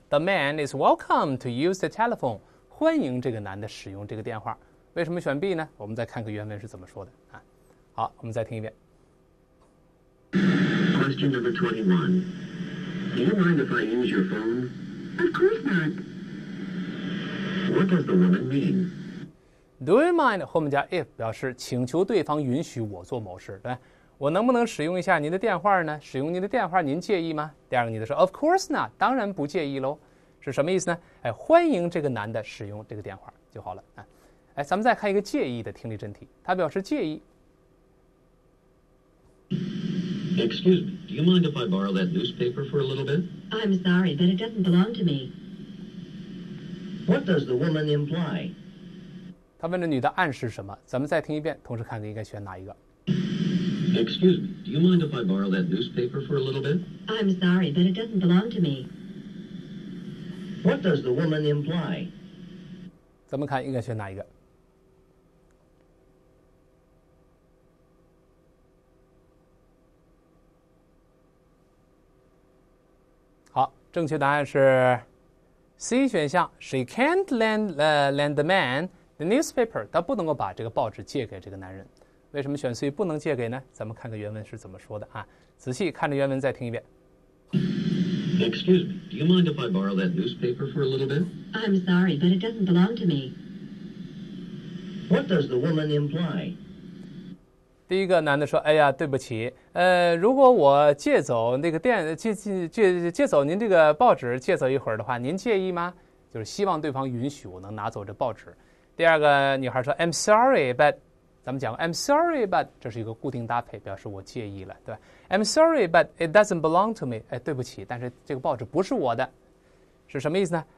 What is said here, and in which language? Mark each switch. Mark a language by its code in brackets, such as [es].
[en] The man is welcome to use the telephone. [zh] 欢迎这个男的使用这个电话。为什么选 B 呢？我们再看个原文是怎么说的。好，我们再听一遍。 [en] Question number 21. Do you mind if I use your phone? Of course not. What does the woman mean? Do you mind [zh] 后面加 if 表示请求对方允许我做某事，对吧？我能不能使用一下您的电话呢？使用您的电话您介意吗？第二个女的说 [en] Of course not. [zh] 当然不介意喽。是什么意思呢？欢迎这个男的使用这个电话就好了。咱们再看一个介意的听力真题，他表示介意。 [en] Excuse me, do you mind if I borrow that newspaper for a little bit? I'm sorry, but it doesn't belong to me. What does the woman imply? [zh] 他问这女的暗示什么？咱们再听一遍，同时看看应该选哪一个。 [en] Excuse me, do you mind if I borrow that newspaper for a little bit? I'm sorry, but it doesn't belong to me. What does the woman imply? [zh] 咱们看应该选哪一个。正确答案是 C 选项。 [en] She can't lend the man the newspaper. [zh] 她不能够把这个报纸借给这个男人。为什么选 C 不能借给呢？咱们看个原文是怎么说的啊？仔细看着原文再听一遍。 [en] Excuse me, do you mind if I borrow that newspaper for a little bit? I'm sorry, but it doesn't belong to me. What does the woman imply? D [zh] 第一个男的说，哎呀，对不起，如果我借走那个电，借走您这个报纸借走一会儿的话，您介意吗？就是希望对方允许我能拿走这报纸。第二个女孩说 [en] I'm sorry, but, [zh] 咱们讲 [en] I'm sorry, but, 这是一个固定搭配，表示我介意了，对吧？ I'm sorry, but it doesn't belong to me, [zh] 哎，对不起，但是这个报纸不是我的。是什么意思呢？